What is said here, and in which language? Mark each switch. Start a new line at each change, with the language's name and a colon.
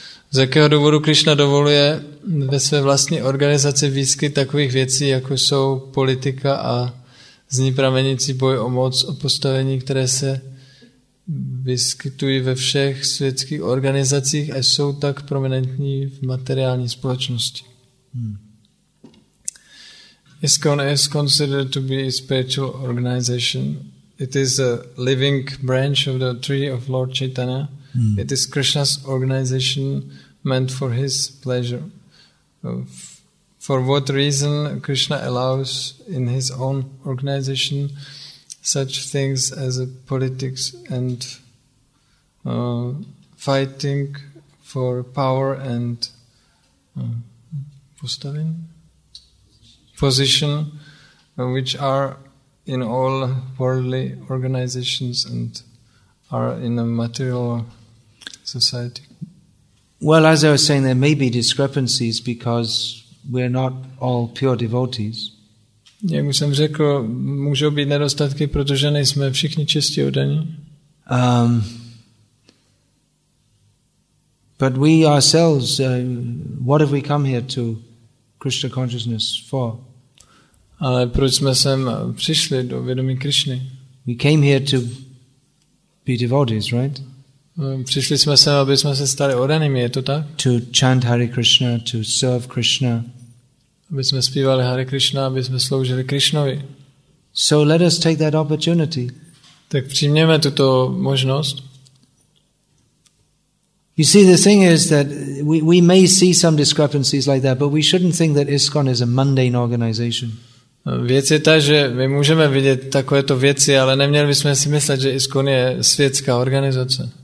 Czech: Z jakého důvodu Krishna dovoluje ve své vlastní organizaci výskyt takových věcí, jako jsou politika a z ní pramenící boj o moc, o postavení, které se vyskytují ve všech světských organizacích a jsou tak prominentní v materiální společnosti.
English: ISKCON is considered to be a spiritual organization. It is a living branch of the tree of Lord Chaitanya. It is Krishna's organization meant for his pleasure. For what reason Krishna allows in his own organization such things as politics and fighting for power and position, which are in all worldly organizations and are in a material society? Well, as I was saying, there may be discrepancies because we're not all pure devotees.
Czech: Jak už jsem řekl, můžou být nedostatky, protože nejsme všichni čistí oddaní.
English: But we ourselves, what have we come here to Krishna consciousness for?
Czech: Ale proč jsme sem přišli do vědomí Krishny?
English: We came here to be devotees, right?
Czech: Přišli jsme sem, aby jsme se stali oddanými, je to tak?
English: To chant Hare Krishna, to serve Krishna.
Czech: Aby jsme zpívali Hare Krishna, aby jsme sloužili Krishnovi.
English: So let us take that opportunity.
Czech: Tak přijměme tuto možnost.
English: You see, the thing is that we may see some discrepancies like that, but we shouldn't think that ISKCON is a mundane organization.
Czech: Věc je ta, že my můžeme vidět takovéto věci, ale neměli bychom si myslet, že ISKCON je světská organizace.